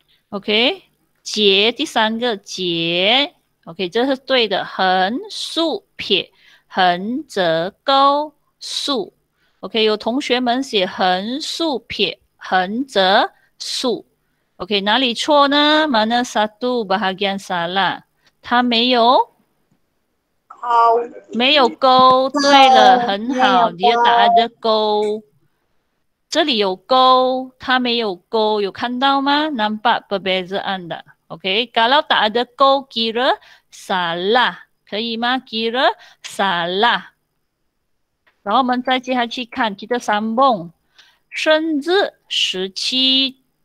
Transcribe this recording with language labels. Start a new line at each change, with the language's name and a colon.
Chinese: OK， 截第三个截。 OK， 这是对的。横竖撇，横折勾竖。 OK， 有同学们写横竖撇，横折竖。 OK， 哪里错呢 ？
Malay: Mana satu bahagian salah？
Chinese: 它没有，没有勾。对了，很好，你的答案的勾。这里有勾，它没有勾，有看到吗 ？
Malay: Nampak perbezaan dah。 OK， kalau tak ada勾， kira salah，
Chinese: 可以吗 ？
Malay: Kira salah。
Chinese: 然后我们再接下去看，
Malay: kita sambung，
Chinese: 甚至十七。